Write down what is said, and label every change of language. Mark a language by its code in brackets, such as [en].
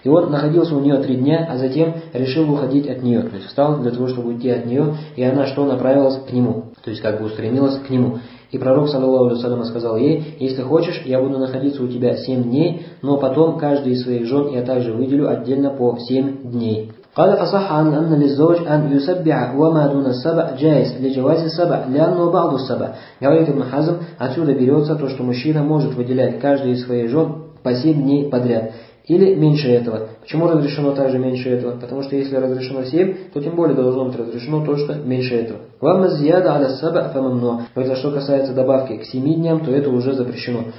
[ru] И он находился у нее 3 дня, а затем решил уходить от нее. То есть встал для того, чтобы уйти от нее, и она что, направилась к нему? То есть как бы устремилась к нему. И пророк, саллаллаху алейхи ва саллям, сказал ей, если хочешь, я буду находиться у тебя 7 дней, но потом каждый из своих жен я также выделю отдельно по 7 дней. [ar] قال فصح عن أن للزوج أن يسبع وما دون السبع جائز لجواز السبع لأنه بعض السبع. [ru] Говорит Ибн Хазм, отсюда берется то, что мужчина может выделять каждую из своих жен по 7 дней подряд. Или меньше этого. Почему разрешено также меньше этого? Потому что если разрешено 7, то тем более должно быть разрешено то, что меньше этого. [ar] Вам зияда аля саба фамамно. [ru] Это что касается добавки к 7 дням, то это уже запрещено.